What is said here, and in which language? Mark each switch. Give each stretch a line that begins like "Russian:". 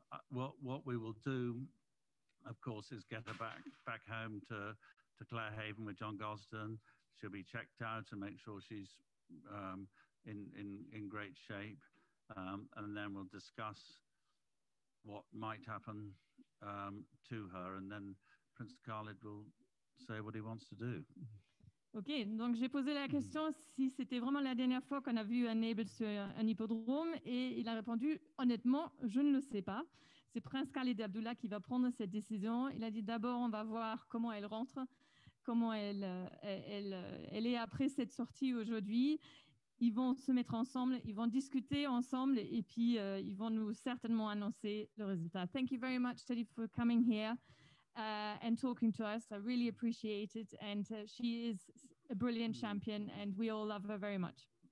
English: What we will do, of course, is get her back home to Clare Haven with John Gosden. She'll be checked out and make sure she's in great shape. And then we'll discuss what might happen to her, and then Prince Khalid will say what he wants to do.
French: Ok, donc j'ai posé la question si c'était vraiment la dernière fois qu'on a vu un Abel sur un hippodrome, et il a répondu, honnêtement, je ne le sais pas. C'est Prince Khalid Abdullah qui va prendre cette décision. Il a dit, d'abord, on va voir comment elle rentre, comment elle est après cette sortie aujourd'hui. Ils vont se mettre ensemble, ils vont discuter ensemble et puis ils vont nous certainement annoncer le résultat.
English: Thank you very much, Teddy, for coming here and talking to us. I really appreciate it. And she is a brilliant champion and we all love her very much.